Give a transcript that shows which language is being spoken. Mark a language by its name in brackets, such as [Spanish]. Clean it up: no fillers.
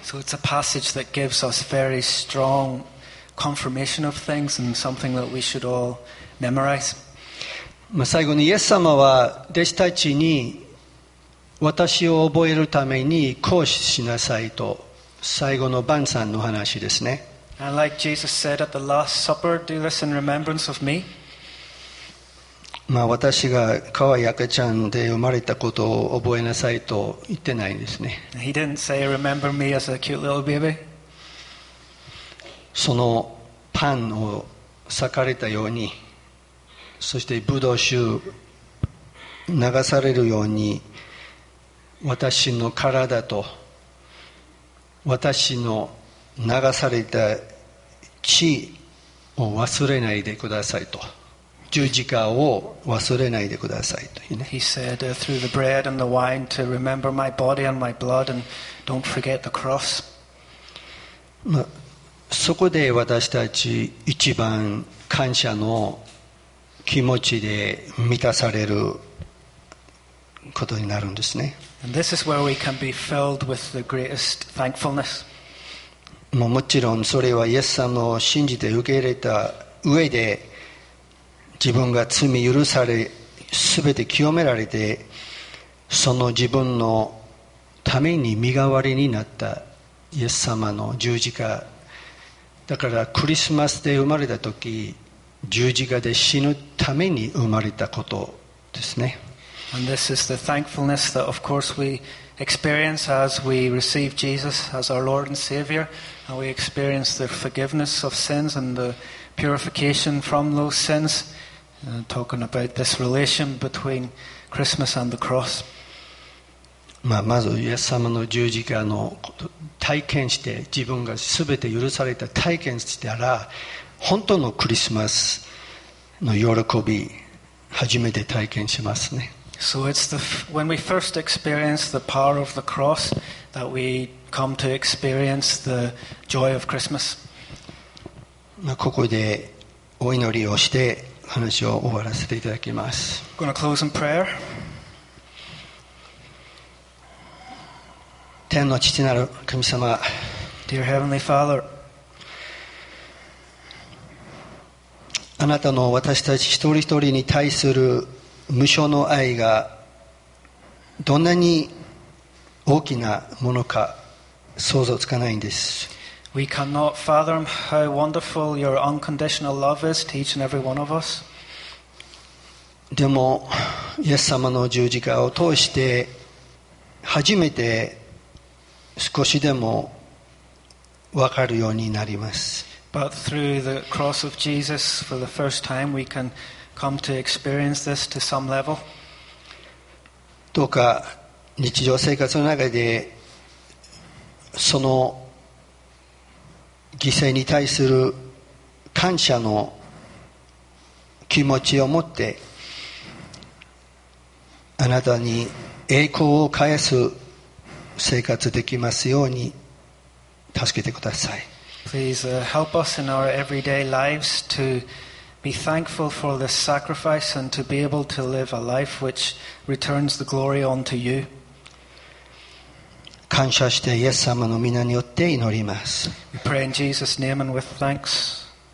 [English] So it's a passage that gives us very strong confirmation of things and something that we should all memorize. [Japanese] まあ、最後にイエス様は弟子たちに私を覚えるために行使しなさいと最後の晩餐の話ですね。 [English] And like Jesus said at the Last Supper, do this in remembrance of me. [Japanese] まあ私が可愛い赤ちゃんで生まれたことを覚えなさいと言ってないんですね。 [English] He didn't say remember me as a cute little baby. [Japanese] そのパンを裂かれたように。そしてブドウ酒流されるように私の体と私の流された血を忘れないでくださいと、十字架を忘れないでくださいと、ね、 [English] He said through the bread and the wine to remember my body and my blood and don't forget the cross、 [Japanese] ま、そこで私たち一番感謝の気持ちで満たされることになるんですね。 [English] And this is where we can be filled with the greatest thankfulness. [Japanese] もちろんそれはイエス様を信じて受け入れた上で自分が罪許され全て清められてその自分のために身代わりになったイエス様の十字架だからクリスマスで生まれた時十字架で死ぬために生まれたことですね。 [English] And this is the thankfulness that, of course, we experience as we receive Jesus as our Lord and Savior, and we experience the forgiveness of sins and the purification from those sins. Talking about this relation between Christmas and the cross. [Japanese] まずイエス様の十字架のことを体験して、自分が全て許された体験したら、本当のクリスマスの喜び、初めて体験しますね。 [English] So it's the when we first experience the power of the cross that we come to experience the joy of Christmas. [Japanese] ここでお祈りをして話を終わらせていただきます。 [English] I'm going to close in prayer. [Japanese] 天の父なる神様、 [English] Dear Heavenly Father, [Japanese] あなたの私たち一人一人に対する無償の愛がどんなに大きなものか想像つかないんです。 [English] We cannot fathom how wonderful your unconditional love is to each and every one of us. [Japanese] でも、イエス様の十字架を通して初めて少しでも分かるようになります。 [English] But through the cross of Jesus for the first time, we can. Come to experience this to some level. [Japanese] どうか日常生活の中でその犠牲に対する感謝の気持ちを持ってあなたに栄光を返す生活できますように助けてください。 [English] Please help us in our everyday lives toBe thankful for this sacrifice and to be able to live a life which returns the glory unto you. [Japanese] 感謝してイエス様の御名によって祈ります。 [English] We pray in Jesus' name and with thanks.